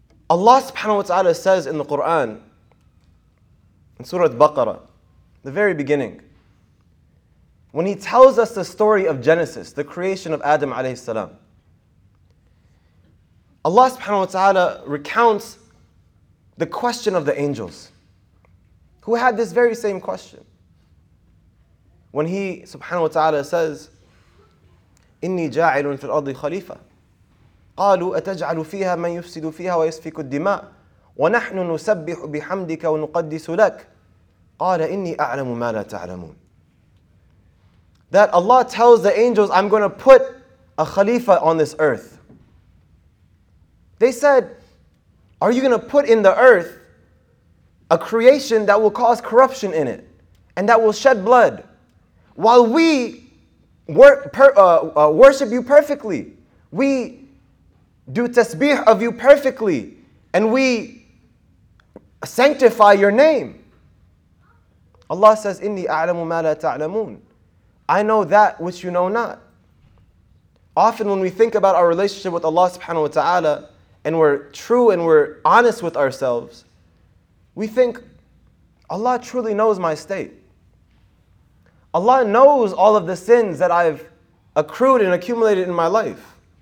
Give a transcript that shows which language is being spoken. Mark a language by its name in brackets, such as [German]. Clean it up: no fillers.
[English] Allah subhanahu wa ta'ala says in the Quran, in Surah Baqarah, the very beginning, when He tells us the story of Genesis, the creation of Adam alayhi salam, Allah subhanahu wa ta'ala recounts the question of the angels, who had this very same question. When he subhanahu wa ta'ala says, [Arabic] إِنِّي جَاعِلٌ فِي الْأَرْضِ خَلِيفَةٌ, قالوا أتجعل فيها من يفسد فيها ويسفك الدماء ونحن نسبح بحمدك ونقدس لك قال إني أعلم ما لا تعلمون. [English] That Allah tells the angels, I'm going to put a khalifa on this earth. They said, are you going to put in the earth a creation that will cause corruption in it and that will shed blood while we worship you perfectly? We do tasbih of you perfectly and we sanctify your name. Allah says, [Arabic] إِنِّي أَعْلَمُ مَا لَا تَعْلَمُونَ. [English] I know that which you know not. Often when we think about our relationship with Allah subhanahu wa ta'ala and we're true and we're honest with ourselves, we think, Allah truly knows my state. Allah knows all of the sins that I've accrued and accumulated in my life.